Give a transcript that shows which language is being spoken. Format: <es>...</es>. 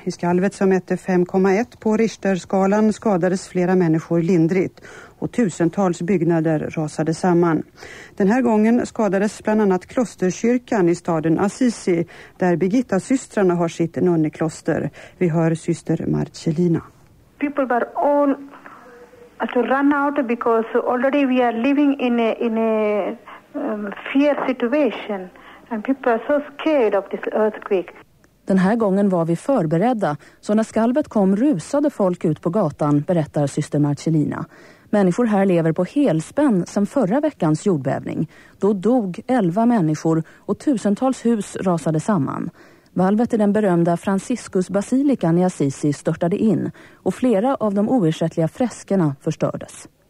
<sv>I skalvet som mätte 5,1 på Richterskalan skadades flera människor lindrigt och tusentals byggnader rasade samman. Den här gången skadades bland annat klosterkyrkan i staden Assisi där Birgittas systrarna har sitt nunnekloster. Vi hör syster Marcellina.</sv> <en>People were all to run out because already we are living in a fear situation and people are so scared of this earthquake.</en> <sv>Den här gången var vi förberedda, så när skalvet kom rusade folk ut på gatan, berättar syster Marcellina. Människor här lever på helspänn sedan förra veckans jordbävning. Då dog 11 människor och tusentals hus rasade samman. Valvet i den berömda Franciscus-basilikan i Assisi störtade in och flera av de oersättliga freskerna förstördes.</sv>